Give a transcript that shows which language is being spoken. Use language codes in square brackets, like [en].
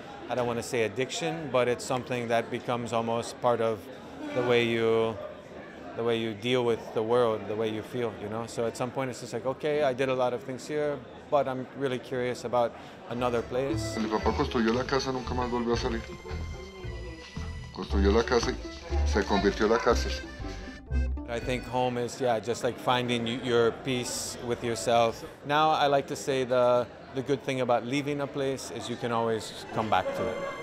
[en] I don't want to say addiction, but it's something that becomes almost part of the way you deal with the world, the way you feel, you know? So at some point it's just like, okay, I did a lot of things here, but I'm really curious about another place. [es] Mi papá construyó la casa, nunca más volvió a salir. Construyó la casa y se convirtió la casa. [en] I think home is, yeah, just like finding your peace with yourself. Now I like to say the good thing about leaving a place is you can always come back to it.